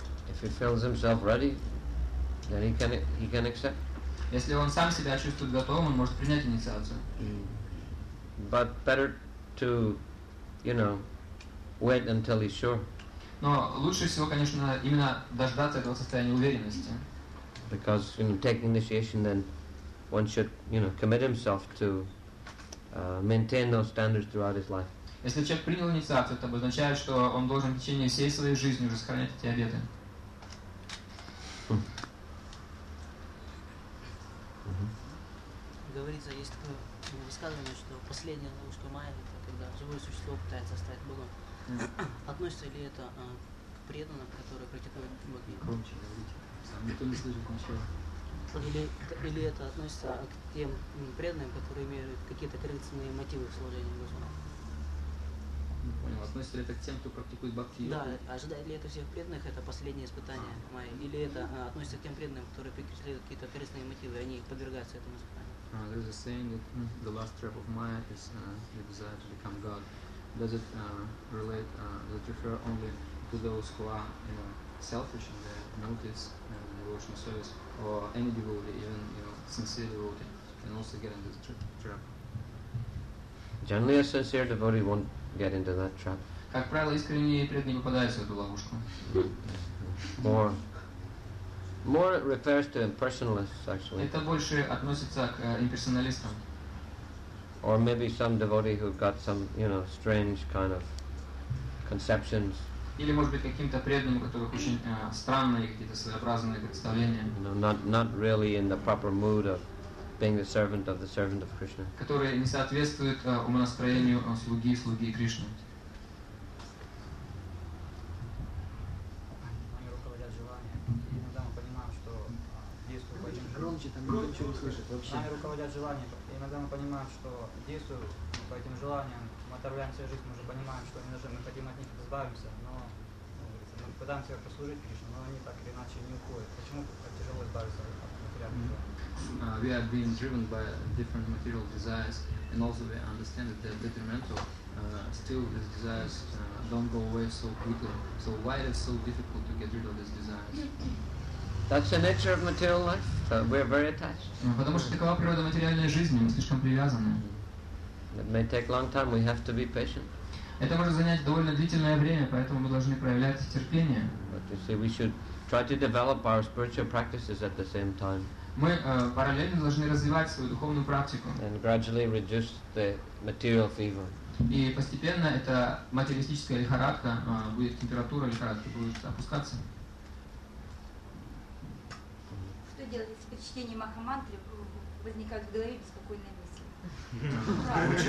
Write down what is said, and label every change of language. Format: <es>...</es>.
<en>If he feels himself ready, then he can accept.</en> <ru>Если он сам себя чувствует готовым, он может принять инициацию.</ru> <en>But better to, you know, wait until he's sure.</en> <ru>Но лучше всего, конечно, именно дождаться этого состояния уверенности.</ru> <en>Because you know, taking initiation, then one should, you know, commit himself to maintain those standards throughout his life.</en> <ru>Если человек принял инициацию, это означает, что он должен в течение всей своей жизни уже сохранять эти обеты. Говорится, есть такое высказывание, что последняя ловушка майя, это когда живое существо пытается стать Богом. Относится ли это к преданным, которые практикуют боги? Громче говорите. Никто не слышит ничего. Или это относится к тем преданным, которые имеют какие-то коррекционные мотивы в служении Богу? Понял. Относится ли это к тем, кто практикует бхакти-йогу? Да. Ожидает ли это всех преданных, это последнее испытание майя? Или это относится к тем преданным, которые преследуют какие-то корыстные мотивы, и они подвергаются этому испытанию?</ru> <en>There is a saying that the last trap of Maya is the desire to become God. Does it relate, does it refer only to those who are, you know, selfish in their notice and devotional service, or any devotee, even, you know, sincere devotee, can also get into the trap? Generally, a sincere devotee won't get into that trap.</en> <ru>Как правило, искренние преданные не попадают в эту ловушку.</ru> <en>More it refers to impersonalists, actually.</en> <ru>Это больше относится к имперсоналистам.</ru> <en>Or maybe some devotee who got some, you know, strange kind of conceptions.</en> <ru>Или может быть каким-то преданным, у которых очень странные какие-то своеобразные представления.</ru> <en>No, not really in the proper mood of being the servant of the servant of Krishna.</en> <ru>Которые не соответствуют умонастроению слуги Кришны. Они руководят желанием. Иногда мы понимаем, что действуем по этим желаниям, мы отравляем свою жизнь, мы уже понимаем, что мы хотим от них избавиться, но мы пытаемся как-то служить Кришне, но они так или иначе не уходят. Почему так тяжело избавиться от материальных желаний?</ru> <en>We are being driven by different material desires, and also we understand that they are detrimental. Still, these desires don't go away so quickly. So why is it so difficult to get rid of these desires? That's the nature of material life. We are very attached.</en> <ru>Потому что такова природа материальной жизни. Мы слишком привязаны.</ru> <en>It may take a long time. We have to be patient.</en> <ru>Это может занять довольно длительное время, поэтому мы должны проявлять терпение.</ru> <en>But you see, we should try to develop our spiritual practices at the same time.</en> <ru>Мы параллельно должны развивать свою духовную практику.</ru> <en>And gradually reduce the material fever.</en> <ru>И постепенно эта материалистическая лихорадка, будет температура лихорадки, будет опускаться. Что делать, если при чтении Махамантры возникают в голове беспокойные мысли?</ru>